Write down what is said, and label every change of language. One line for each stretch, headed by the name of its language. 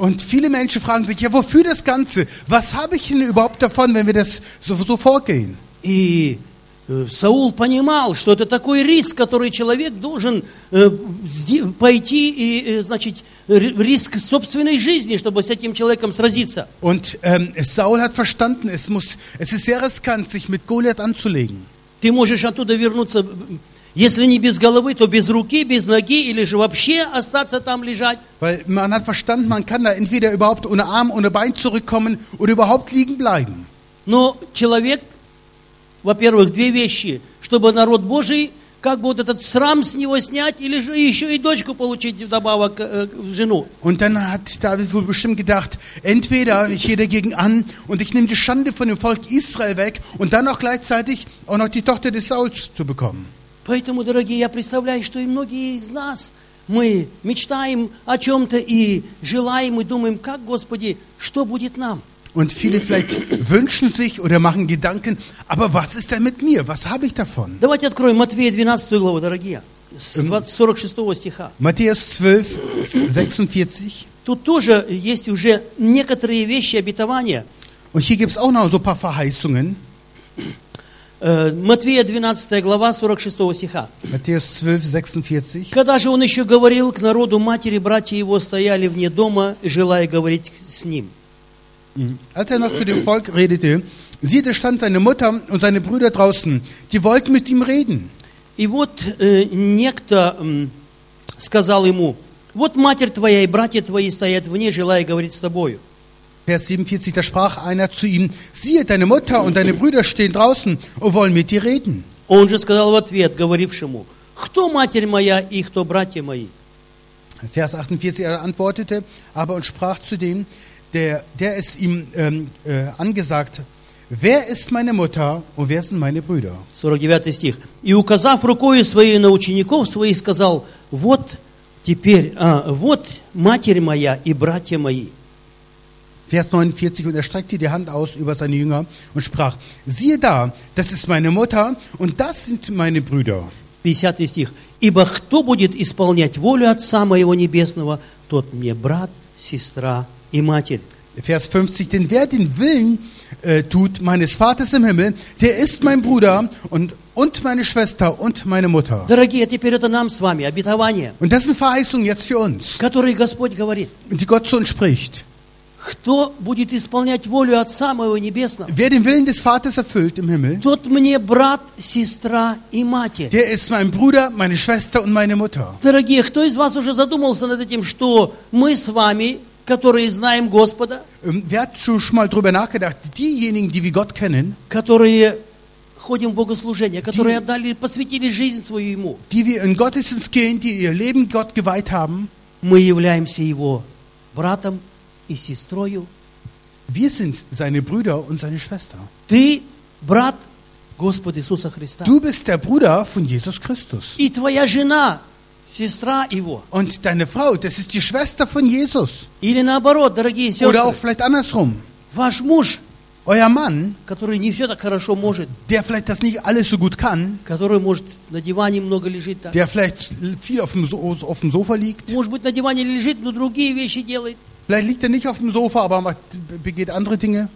German: Und viele Menschen fragen sich, ja, wofür das Ganze? Was habe ich denn überhaupt davon, wenn wir das so vorgehen?
Russian: И Саул понимал, что это такой риск, который человек должен пойти и, значит, риск собственной жизни, чтобы с этим человеком сразиться.
German: Und Saul hat verstanden, es ist sehr riskant, sich mit Goliath anzulegen.
Russian: Ты можешь оттуда вернуться, если не без головы, то без руки, без ноги, или же вообще остаться там лежать.
German: Weil man hat verstanden, man kann da entweder überhaupt ohne Arm, ohne Bein zurückkommen oder überhaupt liegen bleiben.
Russian: Но человек, во-первых, две вещи, чтобы народ Божий, как бы вот этот срам с него снять, или же еще и дочку получить вдобавок в жену.
German: Und dann hat David wohl bestimmt gedacht, entweder ich gehe dagegen an und ich nehme die Schande von dem Volk Israel weg und dann auch gleichzeitig auch noch die Tochter des Sauls zu bekommen.
Russian: Поэтому, дорогие, я представляю, что и многие из нас, мы мечтаем о чем-то и желаем, и думаем, как, Господи, что будет нам?
German: Und viele vielleicht wünschen sich oder machen Gedanken, aber was ist denn mit mir? Was habe ich davon?
Russian: Давайте откроем Матфея 12 главу, дорогие, с 46 стиха.
German: Matthäus 12, 46.
Russian: Тут тоже есть уже некоторые вещи, обетования.
German: Und hier gibt es auch noch so ein paar Verheißungen.
Russian: Матфея 12 глава, 46 стиха.
German: Matthäus 12, 46.
Russian: Когда же он еще говорил к народу, матери, братья его стояли вне дома, желая говорить с ним.
German: Als er noch zu dem Volk redete, siehe, da stand seine Mutter und seine Brüder draußen, die wollten mit ihm reden.
Russian: И вот некто сказал ему, вот матерь твоя и братья твои стоят вне, желая говорить с тобою.
German: Vers 47, da sprach einer zu ihm, siehe, deine Mutter und deine Brüder stehen draußen und wollen mit dir reden.
Russian: Он же сказал в ответ говорившему, кто матерь моя и кто братья мои?
German: Vers 48, er antwortete, aber und sprach zu dem, der es ihm angesagt Wer ist meine Mutter und wer sind meine Brüder?
Russian: 49 стих. И указав рукою своей на учеников своих, сказал: Вот теперь, а, вот матерь моя и братья мои.
German: Vers 49, und er streckte die Hand aus über seine Jünger und sprach: Siehe da, das ist meine Mutter und das sind meine Brüder.
Russian: 50 стих. Ибо кто будет исполнять волю Отца моего небесного, тот мне брат, сестра и матерь.
German: Vers 50, denn wer den Willen tut meines Vaters im Himmel, der ist mein Bruder und meine Schwester und meine Mutter.
Russian: Дорогие, теперь это нам с вами обетование.
German: Und das ist eine Verheißung jetzt für uns.
Russian: Которой Господь говорит.
German: Die Gott zu uns spricht.
Russian: Кто будет исполнять волю Отца моего небесного?
German: Wer den Willen des Vaters erfüllt im Himmel?
Russian: Тот мне брат, сестра и матерь.
German: Der ist mein Bruder, meine Schwester und meine Mutter.
Russian: Дорогие, кто из вас уже задумался над этим, что мы с вами, которые знаем Господа?
German: Wer hat schon mal drüber nachgedacht, diejenigen, die wir Gott kennen,
Russian: которые ходим в богослужение, которые
German: die,
Russian: отдали, посвятили жизнь свою ему,
German: die wir in Gottesdienst gehen, die ihr Leben Gott geweiht haben,
Russian: мы являемся его братом и сестрою.
German: Wir sind seine Brüder und seine Schwester.
Russian: Ты брат Господа Иисуса Христа.
German: Du bist der Bruder von Jesus Christus.
Russian: И твоя жена, сестра его.
German: Und deine Frau, das ist die Schwester von Jesus.
Russian: Или наоборот, дорогие сестры.
German: Oder auch vielleicht andersrum.
Russian: Ваш муж,
German: euer Mann,
Russian: который не все так хорошо может,
German: der vielleicht das nicht alles so gut kann,
Russian: который может на диване много лежит,
German: der vielleicht viel auf dem Sofa liegt,
Russian: может быть на диване лежит, но другие вещи делает.
German: Vielleicht liegt er nicht auf dem Sofa, aber begeht andere Dinge.